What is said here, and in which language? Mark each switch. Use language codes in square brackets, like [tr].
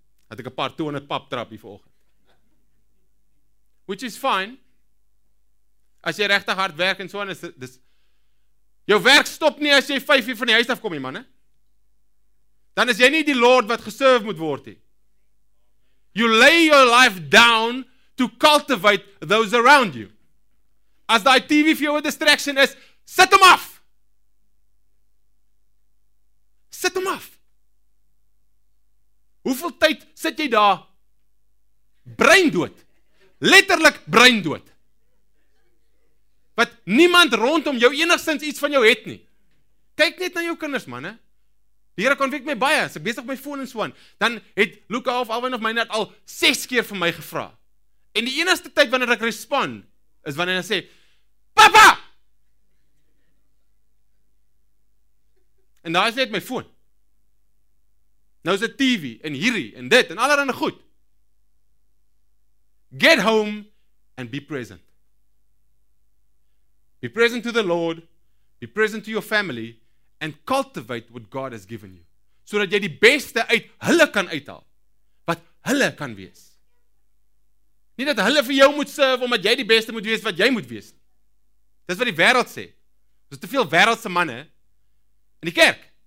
[af] Had ek 'n paar toe in 'n paptrap hier vanoggend. [en] Which is fine. [af] As jy regtig hard werk en so aan is dis jou werk stop nie as jy 5 uur van die huis af kom nie, man, hè? Dan is jy nie die Lord wat geserve moet word nie. [en] You lay your life down to cultivate those around you. [af] As die TV vir jou 'n distraction is, sit hom af. Sit hom af. Hoeveel tyd sit jy daar? Breindood. Letterlik breindood. Wat niemand rondom jou enigstens iets van jou het nie. Kyk net na jou kinders, man, hè? Die Here konfik my baie, as ek besig met my foon en so aan, dan het Luca of Alwyn of my net al 6 keer vir my gevra. En die enigste tyd wanneer ek respond, is wanneer hy sê, Papa! En daar is net my foon. Nou is dit TV, en hierdie, en dit, en allerhande goed. [en] Get home, and be present. Be present to the Lord, be present to your family, and cultivate what God has given you. [af] So dat jy die beste uit hulle kan uithaal. Wat hulle kan wees. Nie dat hulle vir jou moet serve, omdat jy die beste moet wees wat jy moet wees. Dis wat die wêreld sê. Dis te veel wêreldse manne in die kerk.